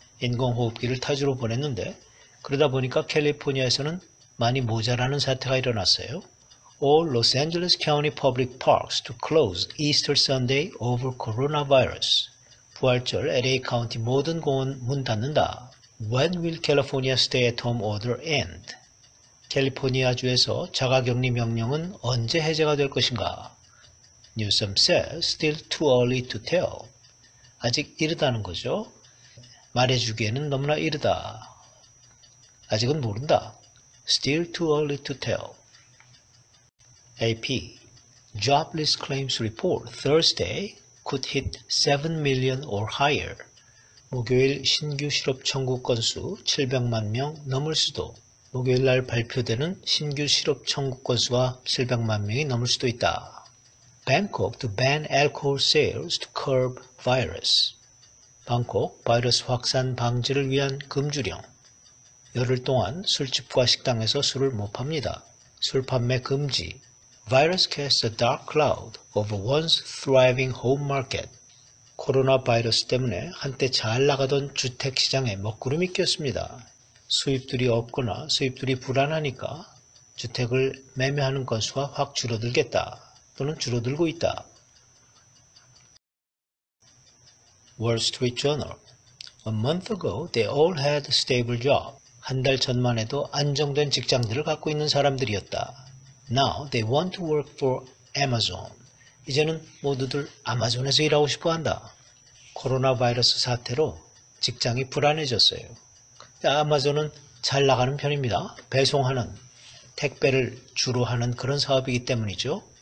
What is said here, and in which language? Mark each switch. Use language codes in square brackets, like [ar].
[ko] 인공호흡기를 타주로 보냈는데 그러다 보니까 캘리포니아에서는 많이 모자라는 사태가 일어났어요. [en] All Los Angeles County public parks to close Easter Sunday over coronavirus. [ko] 부활절 LA 카운티 모든 공원 문 닫는다. [en] When will California stay at home order end? [ko] 캘리포니아주에서 자가격리 명령은 언제 해제가 될 것인가? [en] Newsom says still too early to tell. [ko] 아직 이르다는 거죠. 말해주기에는 너무나 이르다. 아직은 모른다. [en] Still too early to tell. AP. Jobless claims report Thursday could hit 7 million or higher. [ko] 목요일 신규 실업 청구 건수 700만 명 넘을 수도. 목요일 날 발표되는 신규 실업 청구 건수가 700만 명이 넘을 수도 있다. [en] Bangkok to ban alcohol sales to curb virus. [ko] 방콕, 바이러스 확산 방지를 위한 금주령. 열흘 동안 술집과 식당에서 술을 못 팝니다. 술 판매 금지. [en] Virus casts a dark cloud over once thriving home market. [ko] 코로나 바이러스 때문에 한때 잘 나가던 주택시장에 먹구름이 꼈습니다. 수입들이 없거나 수입들이 불안하니까 주택을 매매하는 건수가 확 줄어들겠다 또는 줄어들고 있다. [en] Wall Street Journal. A month ago, they all had a stable job. [ko] 한 달 전만 해도 안정된 직장들을 갖고 있는 사람들이었다. [en] Now they want to work for Amazon. [ko] 이제는 모두들 아마존에서 일하고 싶어 한다. 코로나 바이러스 사태로 직장이 불안해졌어요. 아마존은 잘 나가는 편입니다. 배송하는, 택배를 주로 하는 그런 사업이기 때문이죠.